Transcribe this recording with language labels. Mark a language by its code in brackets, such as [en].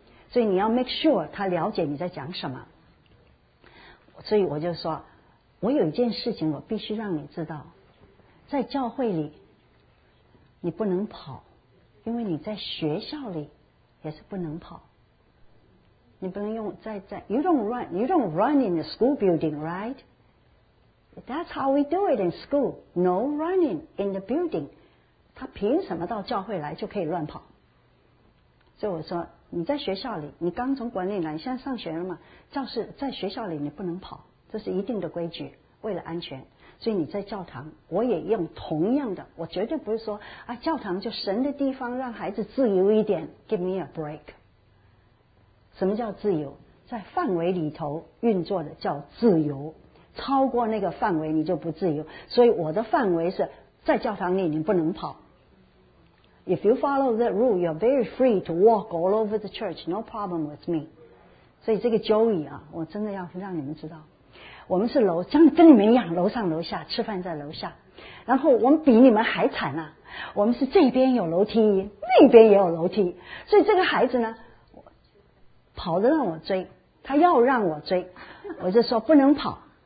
[zh] 所以你要 make sure 他了解你在讲什么。所以我就说，我有一件事情我必须让你知道，在教会里你不能跑，因为你在学校里也是不能跑。你不能用在 [en] you don't run in the school building, right? That's how we do it in school. No running in the building. [zh] 他凭什么到教会来就可以乱跑？所以我说，你在学校里，你刚从管理来，现在上学了嘛？教室在学校里你不能跑，这是一定的规矩，为了安全。所以你在教堂，我也用同样的，我绝对不是说啊，教堂就神的地方，让孩子自由一点。 [en] Give me a break. [zh] 什么叫自由？在范围里头运作的叫自由。超过那个范围你就不自由，所以我的范围是在教堂里你不能跑。 [en] If you follow that rule, you're very free to walk all over the church, no problem with me. [zh] 所以这个 Joey 啊，我真的要让你们知道，我们是楼像跟你们一样，楼上楼下吃饭在楼下，然后我们比你们还惨啊，我们是这边有楼梯，那边也有楼梯，所以这个孩子呢跑得让我追，他要让我追，我就说不能跑。